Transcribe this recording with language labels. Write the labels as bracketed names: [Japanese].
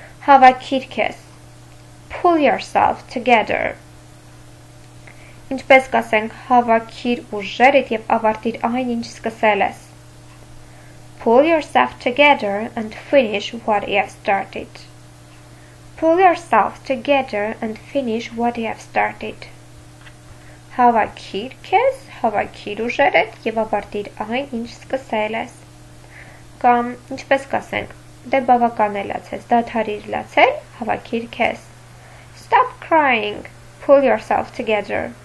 [Armenian] Հավաքիր քեզ։ [English] Pull yourself together. [Armenian] Ինչպես կասենք հավաքիր ուժերդ և ավարտիր այն, ինչ սկսել ես։ [English] Pull yourself together and finish what you have started. Pull yourself together and finish what you have started. [Armenian] Հավաքիր քեզ, հավաքիր ուժերդ և ավարտիր այն, ինչ սկսել ես։ Կամ ինչպես կասենք, դե բավական է լացես, դադարիր լացել, հավաքիր քեզ։ [English] Stop crying, pull yourself together.